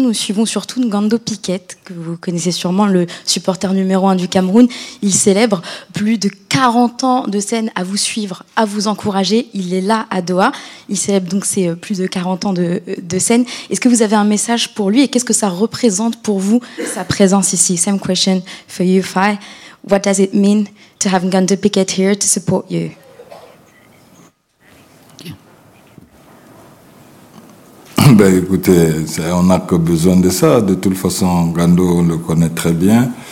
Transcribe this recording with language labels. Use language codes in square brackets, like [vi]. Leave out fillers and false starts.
[fr] Nous suivons surtout Ngando Piquet, que vous connaissez sûrement, le supporter numéro 1 du Cameroun. Il célèbre plus de 40 ans de scène à vous suivre, à vous encourager. Il est là à Doha. Il célèbre donc ses plus de 40 ans de scène. Est-ce que vous avez un message pour lui et qu'est-ce que ça représente pour vous, sa présence ici? [en] Same question for you, Fai. What does it mean to have Ngando Piquet here to support you? [fr] Ben écoutez, on n'a que besoin de ça. De toute façon, Ngando, on le connaît très bien.